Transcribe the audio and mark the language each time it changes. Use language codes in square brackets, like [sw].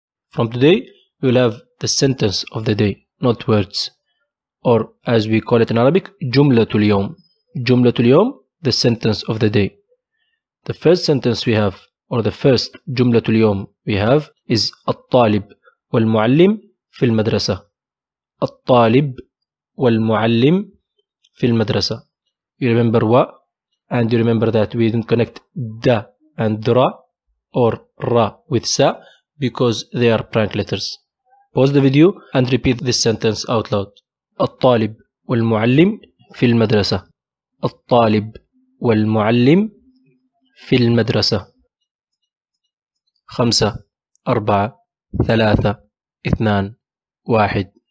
[en] From today you'll have the sentence of the day, not words, or as we call it in Arabic, [ar] جملة اليوم. جملة اليوم, [en] the sentence of the day. The first sentence we have, or the first [ar] جملة اليوم [en] we have, is [ar] الطالب والمعلم في المدرسة. الطالب والمعلم في المدرسة. [en] You remember what? And you remember that we didn't connect da and ra or ra with sa because they are prank letters. Pause the video and repeat this sentence out loud. [ar] الطالب والمعلم في المدرسة. الطالب والمعلم في المدرسة. خمسة أربعة ثلاثة اثنان واحد.